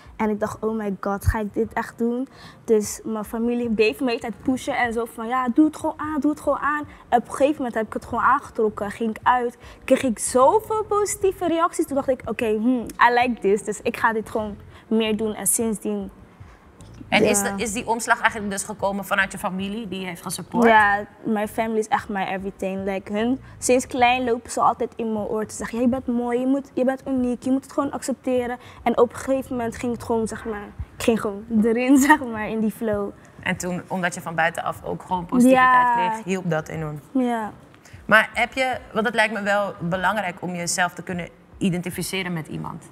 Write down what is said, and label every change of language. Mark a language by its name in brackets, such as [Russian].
[Dutch] En ik dacht, [English] oh my god, [Dutch] ga ik dit echt doen? Dus mijn familie bleef me altijd pushen en zo van, ja, doe het gewoon aan, doe het gewoon aan. En op een gegeven moment heb ik het gewoon aangetrokken. Ging ik uit, kreeg ik zoveel positieve reacties. Toen dacht ik, oké, [English] I like this. [Dutch] Dus ik ga dit gewoon meer doen. En sindsdien... En ja. is die omslag eigenlijk dus gekomen vanuit je familie? Die heeft gesupport? Ja, [English] my family [Dutch] is echt [English] my everything. [Dutch] Like, sinds klein lopen ze altijd in mijn oor te zeggen, ja, je bent mooi, je bent uniek, je moet het gewoon accepteren. En op een gegeven moment ging het gewoon, zeg maar, ik ging gewoon erin, zeg maar, in die flow. En toen, omdat je van buitenaf ook gewoon positiviteit kreeg, hielp dat enorm. Ja. Maar heb je, want het lijkt me wel belangrijk om jezelf te kunnen identificeren met iemand.